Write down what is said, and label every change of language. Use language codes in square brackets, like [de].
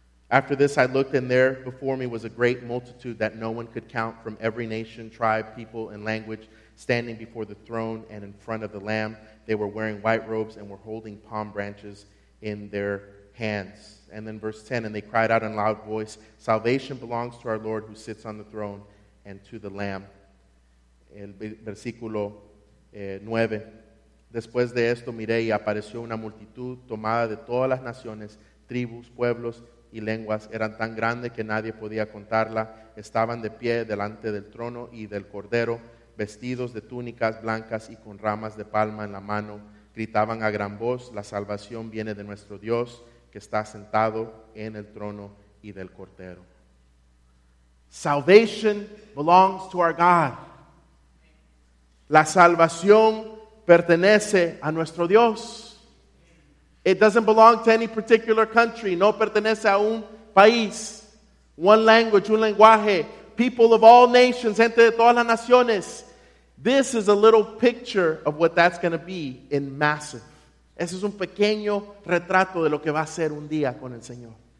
[en] After this I looked, and there before me was a great multitude that no one could count, from every nation, tribe, people, and language, standing before the throne and in front of the Lamb. They were wearing white robes and were holding palm branches in their hands. And then verse 10, and they cried out in loud voice, salvation belongs to our Lord who sits on the throne and to the Lamb. [es] El versículo 9. Después de esto miré y apareció una multitud tomada de todas las naciones, tribus, pueblos, y lenguas. Eran tan grandes que nadie podía contarla. Estaban de pie delante del trono y del cordero, vestidos de túnicas blancas y con ramas de palma en la mano. Gritaban a gran voz, la salvación viene de nuestro Dios, que está sentado en el trono y del cordero. [en] Salvation belongs to our God. [es] La salvación pertenece a nuestro Dios. [en] It doesn't belong to any particular country. [es] No pertenece a un país. [en] One language, [es] un lenguaje. [en] People of all nations, [es] gente de todas las naciones. [en] This is a little picture of what that's going to be in massive. [es] Ese es un pequeño retrato de lo que va a ser un día con el Señor.